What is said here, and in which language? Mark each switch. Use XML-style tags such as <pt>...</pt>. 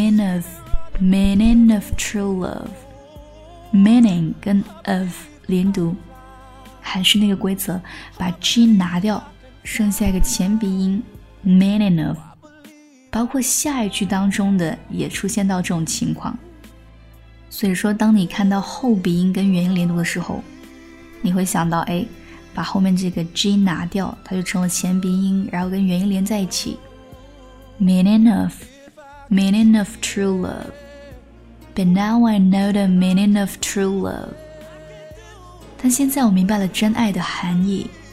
<en>But now I know the meaning of true love.</en> <zh>meaning 跟 of 连读，还是那个规则，把 g 拿掉，剩下一个前鼻音</zh> <en>meaning of。</en> <zh>包括下一句当中的也出现到这种情况，所以说当你看到后鼻音跟元音连读的时候，你会想到哎。把后面这个 G 拿掉，它就成了前鼻音，然后跟元音连在一起。</zh> <en>Meaning of true love. But now I know the meaning of true love.</en> <zh>但现在我明白了真爱的含义。</zh>